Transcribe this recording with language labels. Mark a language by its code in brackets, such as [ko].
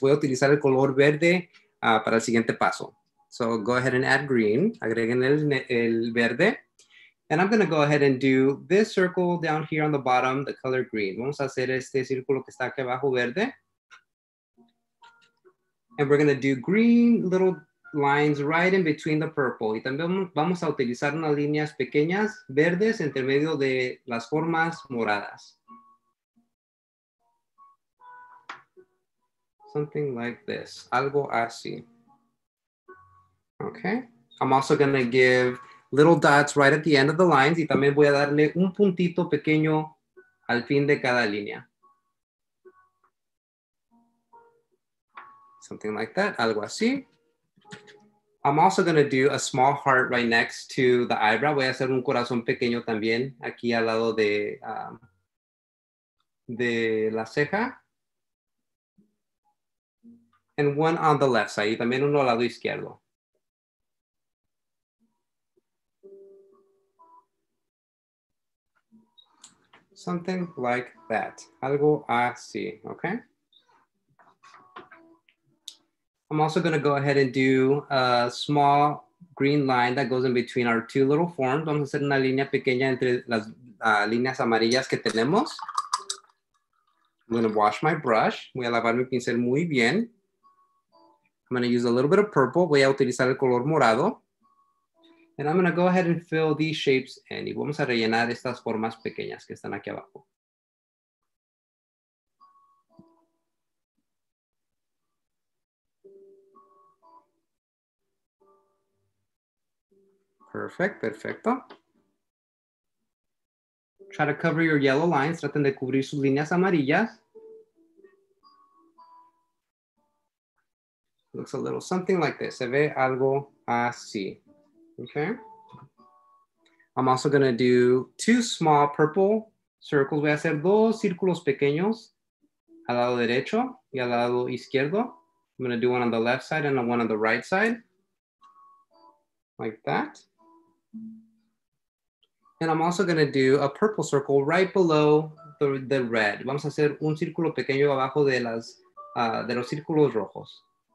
[es] Voy a utilizar el color verde para el siguiente paso. [en] So go ahead and add green, [es] agreguen el verde. [en] And I'm gonna go ahead and do this circle down here on the bottom, the color green. [es] Vamos a hacer este círculo que está aquí abajo verde. [en] And we're gonna do green little lines right in between the purple. [es] Y también vamos a utilizar unas líneas pequeñas verdes entre medio de las formas moradas. [en] Something like this, [es] algo así. [en] Okay, I'm also gonna give little dots right at the end of the lines [es] y también voy a darle un puntito pequeño al fin de cada línea. [en] Something like that, [es] algo así. [en] I'm also gonna do a small heart right next to the eyebrow. [es] Voy a hacer un corazón pequeño también aquí al lado de la ceja. [en] And one on the left side, [es] y también uno al lado izquierdo. [en] Something like that. [es] Algo así, okay? [en] I'm also gonna go ahead and do a small green line that goes in between our two little forms. [es] Vamos a hacer una línea pequeña entre las líneas amarillas que tenemos. [en] I'm gonna wash my brush. [es] Voy a lavar mi pincel muy bien. [en] I'm gonna use a little bit of purple. [es] Voy a utilizar el color morado. [en] And I'm gonna go ahead and fill these shapes in. [es] Y vamos a rellenar estas formas pequeñas que están aquí abajo. [en] Perfect, [es] perfecto. [en] Try to cover your yellow lines. [es] Traten de cubrir sus líneas amarillas. [en] Looks a little something like this. [es] Se ve algo así. [en] Okay, I'm also gonna do 2 small purple circles. [es] Voy a hacer 2 círculos pequeños al lado derecho y al lado izquierdo. [en] I'm gonna do 1 on the left side and 1 on the right side, like that. And I'm also gonna do a purple circle right below the red. [es] Vamos a hacer un círculo pequeño abajo de las de los círculos rojos.